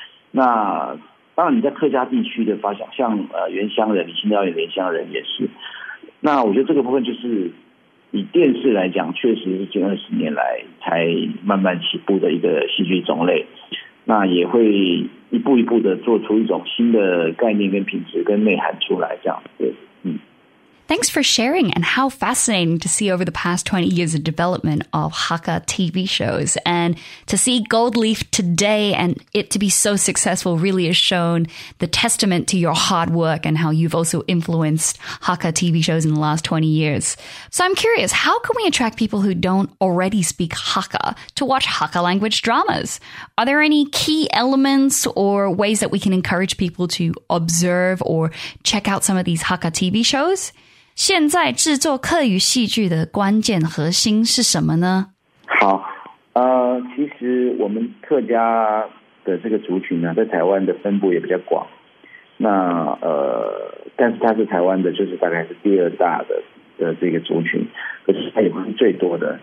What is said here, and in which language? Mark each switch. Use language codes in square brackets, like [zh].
[zh] 那当然你在客家地区的发想，像原乡人，李清照演原乡人也是。那我觉得这个部分就是以电视来讲，确实是近二十年来才慢慢起步的一个戏剧种类。那也会一步一步的做出一种新的概念跟品质跟内涵出来，这样子。 [en] Thanks for sharing, and how fascinating to see over the past 20 years of development of Hakka TV shows, and to see Gold Leaf today and it to be so successful really has shown the testament to your hard work and how you've also influenced Hakka TV shows in the last 20 years. So I'm curious, how can we attract people who don't already speak Hakka to watch Hakka language dramas? Are there any key elements or ways that we can encourage people to observe or check out some of these Hakka TV shows? [zh] 现在制作客语戏剧的关键核心是什么呢？好，其实我们客家的这个族群呢，在台湾的分布也比较广。那但是它是台湾的，就是大概是第二大的这个族群，可是它也不是最多的。